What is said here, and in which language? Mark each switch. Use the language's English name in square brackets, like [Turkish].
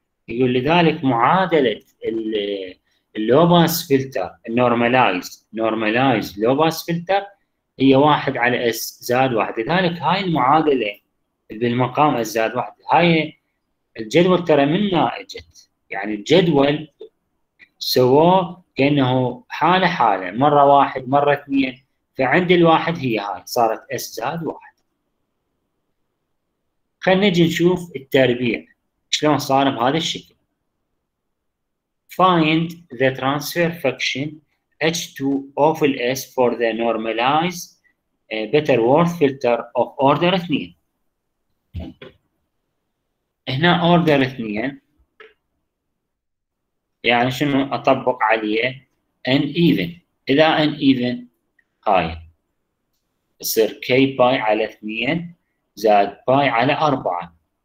[Arabic] يقول لذلك معادلة اللوباس فلتر النورماليز لوباس فلتر هي واحد على اس زائد واحد، لذلك هاي المعادلة بالمقام اس زائد واحد، هاي الجدول ترى من ناجت، يعني الجدول سووه كأنه حالة حالة، مرة واحد مرة اثنين، فعند الواحد هي هاي صارت اس زائد واحد. خلينا نجي نشوف التربيع شلون صار بهذا الشكل. [English] Find the transfer function H2 of S for the normalized Butterworth filter of order 2. [Arabic] هنا order 2 يعني شنو اطبق عليه؟ ان ايفن. اذا ان ايفن هاي يصير k باي على 2 زائد باي على 4.